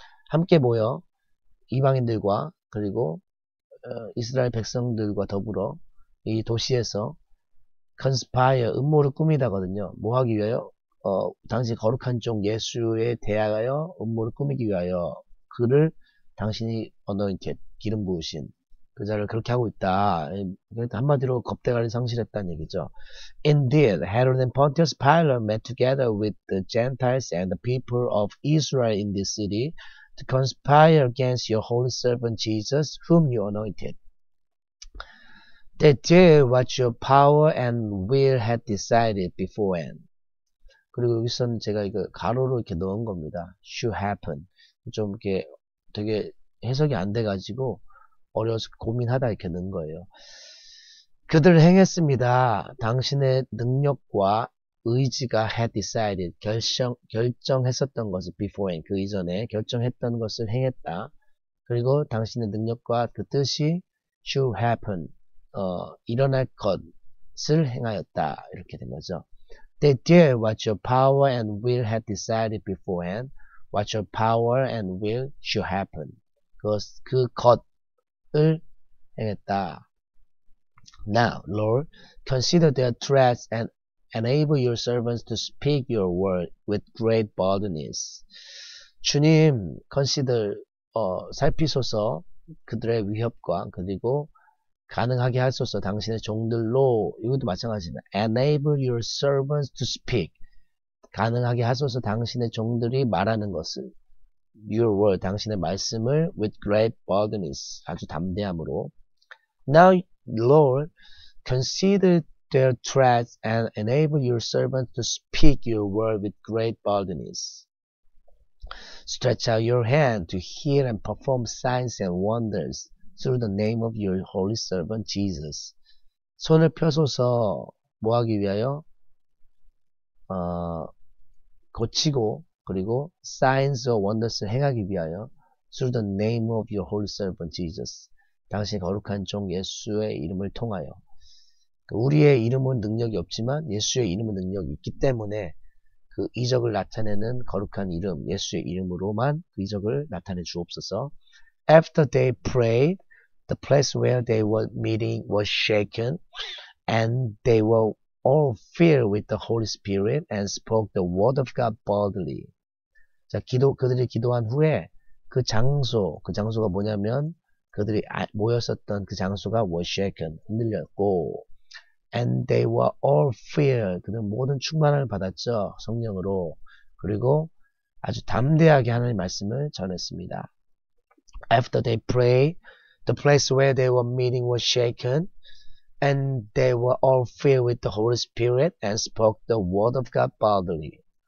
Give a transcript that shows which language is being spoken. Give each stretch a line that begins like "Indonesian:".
Korean: 함께 모여 이방인들과 그리고 이스라엘 백성들과 더불어 이 도시에서 conspire, 음모를 꾸미다거든요. 뭐 하기 위하여? 당신 거룩한 종 예수에 대하여 음모를 꾸미기 위하여 그를 당신이 anointed, 기름 부으신 그 자를 그렇게 하고 있다. 한마디로 겁대가리 상실했다는 얘기죠.
English: Indeed, Herod and Pontius Pilate met together with the Gentiles and the people of Israel in this city to conspire against your holy servant Jesus, whom you anointed. They did what your power and will had decided beforehand.
Korean: 그리고 여기서는 제가 이거 가로로 이렇게 넣은 겁니다.
English: Should happen.
Korean: 좀 이렇게 되게 해석이 안 돼가지고 어려워서 고민하다 이렇게 넣은 거예요. 그들 행했습니다. 당신의 능력과 의지가
English: had decided.
Korean: 결정했었던 것을 beforehand. 그 이전에 결정했던 것을 행했다. 그리고 당신의 능력과 그 뜻이
English: should happen.
Korean: 일어날 것을 행하였다. 이렇게 된 거죠.
English: They did what your power and will had decided beforehand. What your power and will should happen.
Korean: 그 것을 행했다.
English: Now, Lord, consider their threats and enable your servants to speak your word with great boldness.
Korean: 주님, consider, 살피소서 그들의 위협과 그리고 가능하게 하소서 당신의 종들로, 이것도 마찬가지입니다.
English: Enable your servants to speak.
Korean: 가능하게 하소서 당신의 종들이 말하는 것을.
English: Your word,
Korean: 당신의 말씀을
English: with great boldness,
Korean: 아주 담대함으로.
English: Now, Lord, consider their threats and enable your servants to speak your word with great boldness. Stretch out your hand to heal and perform signs and wonders. Through the name of your holy servant Jesus.
Korean: 손을 펴소서 뭐 하기 위하여? 고치고 그리고
English: signs or wonders
Korean: 행하기 위하여
English: through the name of your holy servant Jesus.
Korean: 당신의 거룩한 종 예수의 이름을 통하여. 우리의 이름은 능력이 없지만 예수의 이름은 능력이 있기 때문에 그 이적을 나타내는 거룩한 이름 예수의 이름으로만 그 이적을 나타내 주옵소서.
English: After they prayed, the place where they were meeting was shaken, and they were all filled with the Holy Spirit and spoke the word of God boldly.
Korean: 자, 그들이 기도한 후에 그 장소가 뭐냐면 그들이 모였었던 그 장소가
English: was shaken,
Korean: 흔들렸고,
English: and they were all filled.
Korean: 그들은 모든 충만함을 받았죠, 성령으로. 그리고 아주 담대하게 하나님의 말씀을 전했습니다.
English: After they prayed, the place where they were meeting was shaken, and they were all filled with the Holy Spirit and spoke the word of God boldly.